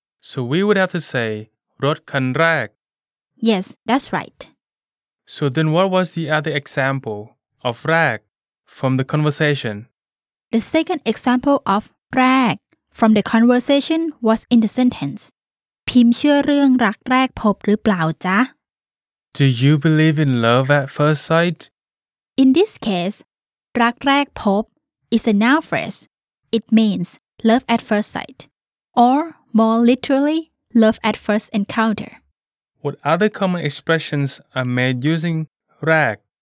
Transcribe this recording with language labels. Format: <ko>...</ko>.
<en>So we would have to say Rod</en> <th>คัน แรก.</th> <en>Yes, that's right. So then what was the other example of แรก from the conversation? The second example of แรก from the conversation was in the sentence.</en> <th>พิมเชื่อเรื่องรักแรกพบหรือเปล่าจ๊ะ</th> <en>Do you believe in love at first sight? In this case,</en> <th>รักแรกพบ</th> <en>is a noun phrase. It means love at first sight. Or more literally, love at first encounter. What other common expressions are made using แรก?</en>